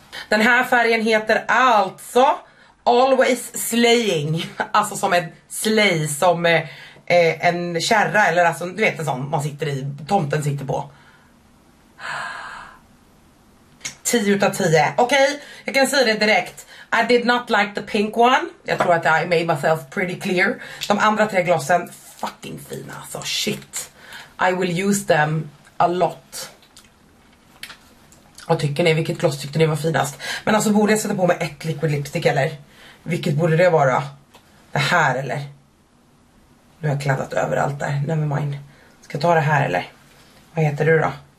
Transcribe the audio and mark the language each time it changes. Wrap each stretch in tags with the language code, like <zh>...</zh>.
<sv>Den här färgen heter alltså Always Slaying, alltså som en slay, som en kärra, eller alltså du vet en sån man sitter i, tomten sitter på. 10 av 10. Okej, jag kan säga det direkt.</sv> <en>I did not like the pink one.</en> <sv>Jag tror att</sv> <en>I made myself pretty clear.</en> <sv>De andra tre glossen, fucking fina. Så shit,</sv> <en>I will use them a lot.</en> <sv>Vad tycker ni, vilket gloss tyckte ni var finast? Men alltså, borde jag sätta på mig ett liquid lipstick eller? Vilket borde det vara? Det här eller? Nu har jag kladdat överallt där,</sv> <en>never mind.</en> <sv>Ska jag ta det här eller? Vad heter du då?</sv>